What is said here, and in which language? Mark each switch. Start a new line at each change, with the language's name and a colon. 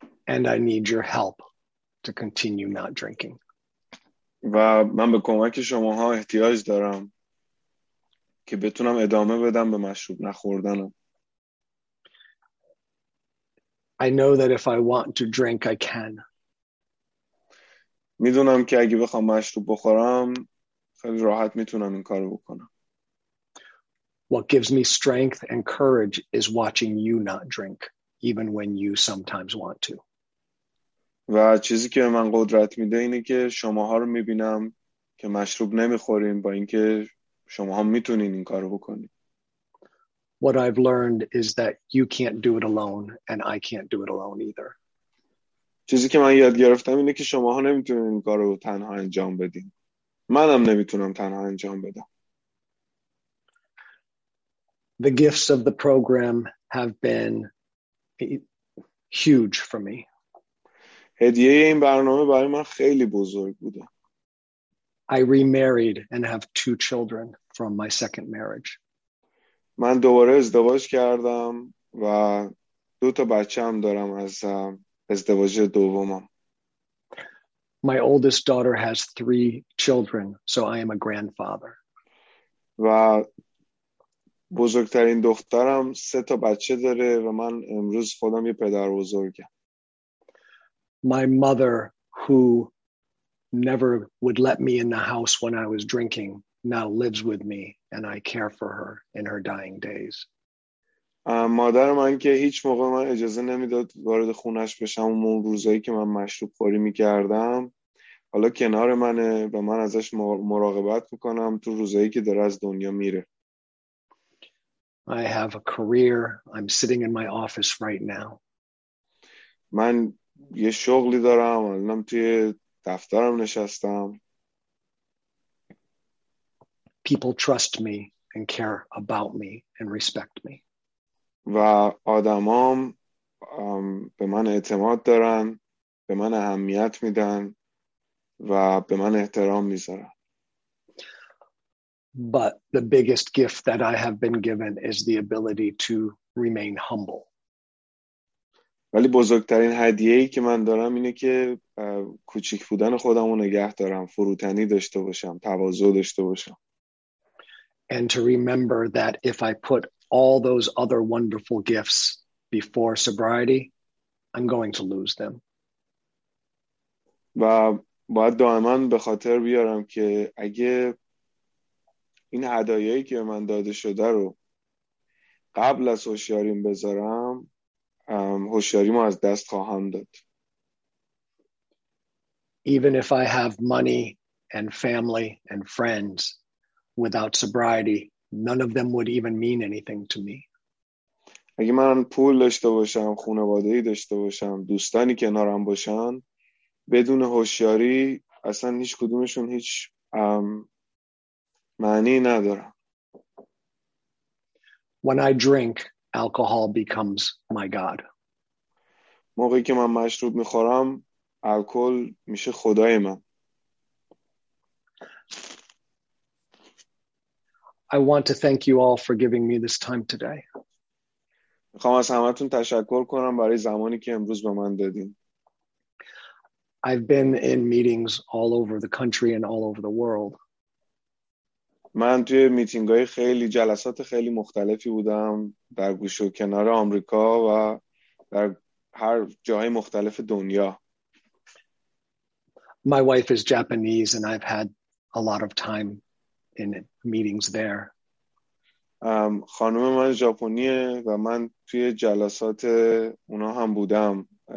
English: And I need your help to continue not drinking.
Persian: و من به کمک شماها احتیاج دارم که بتونم ادامه بدم به مشروب نخوردنم.
English: I know that if I want to drink, I can.
Persian: میدونم که اگه بخوام مشروب بخورم خیلی راحت میتونم این کارو بکنم.
English: What gives me strength and courage is watching you not drink, even when you sometimes want to.
Persian: و چیزی که من قدرت میده اینه که شماها رو میبینم که مشروب نمیخوریم با اینکه شماها میتونین این کارو بکنید.
English: What I've learned is that you can't do it alone and I can't do it alone either.
Persian: چیزی که من یاد گرفتم اینه که شماها نمیتونین این کارو تنها انجام بدین. منم نمیتونم تنها انجام بدم.
English: The gifts of the program have been huge for me.
Persian: هدیه این برنامه برای من خیلی بزرگ بوده.
English: I remarried and have two children from my second marriage.
Persian: من دوباره ازدواج کردم و دو تا بچه‌ام دارم از ازدواج دومم.
English: My oldest daughter has three children, so I am a grandfather.
Persian: و بزرگترین دخترم سه تا بچه داره و من امروز خودم یه پدر بزرگم.
English: My mother, who never would let me in the house when I was drinking, now lives with me and I care for her in her dying days.
Persian: مادر من که هیچ موقع من اجازه نمیداد وارد خونش بشم اون روزایی که من مشروب خوری میکردم حالا کنار منه و من ازش مراقبت میکنم تو روزایی که داره از دنیا میره.
English: I have a career. I'm sitting in my office right now.
Persian: من یه شغلی دارم. الانم توی دفترم نشستم.
English: People trust me and care about me and respect me.
Persian: و آدمام به من اعتماد دارن، به من اهمیت میدن و به من احترام میذارن.
English: But the biggest gift that I have been given is the ability to remain humble.
Persian: ولی بزرگترین هدیه‌ای که من دارم اینه که کوچک بودن خودم رو نگه دارم، فروتنی داشته باشم، تواضع داشته باشم.
English: And to remember that if I put all those other wonderful gifts before sobriety, I'm going to lose them.
Persian: و باید دائما به خاطر بیارم که اگه این هدایایی که من داده شده رو قبل از هوشیاریم بذارم، هوشیاریم رو از دست خواهم داد.
English: Even if I have money and family and friends, without sobriety, none of them would even mean anything to me.
Persian: اگه من پول داشته باشم، خانواده‌ای داشته باشم، دوستانی کنارم باشن، بدون هوشیاری اصلا هیچ کدومشون هیچ معنی ندارم.
English: When I drink, alcohol becomes my God.
Persian: موقعی که من مشروب میخورم، الکل میشه خدای من.
English: I want to thank you all for giving me this time today.
Persian: میخوام از همتون تشکر کنم برای زمانی که امروز به من دادین.
English: I've been in meetings all over the country and all over the world.
Persian: من توی میتینگ‌های خیلی جلسات خیلی مختلفی بودم در گوش و کنار آمریکا و در هر جای مختلف دنیا.
English: My wife is Japanese and I've had a lot of time in meetings there.
Persian: خانم من ژاپنیه و من توی جلسات اونا هم بودم.